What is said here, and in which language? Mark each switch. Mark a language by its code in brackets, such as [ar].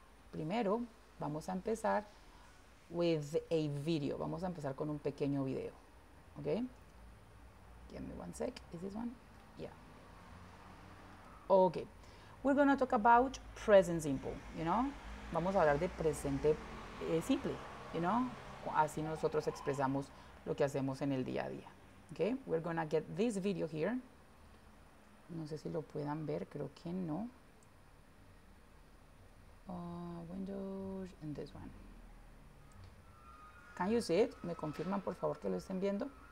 [es] Primero, vamos a empezar [en] with a video. [es] Vamos a empezar con un pequeño video, [en] okay? Give me one sec. Is this one? Yeah. Okay. We're going to talk about present simple, you know? [es] Vamos a hablar de presente simple, you know? Así nosotros expresamos lo que hacemos en el día a día. [en] Okay, we're going to get this video here. [es] No sé si lo puedan ver, creo que no. [en] Windows and this one. Can you see it? [es] ¿Me confirman, por favor, que lo estén viendo?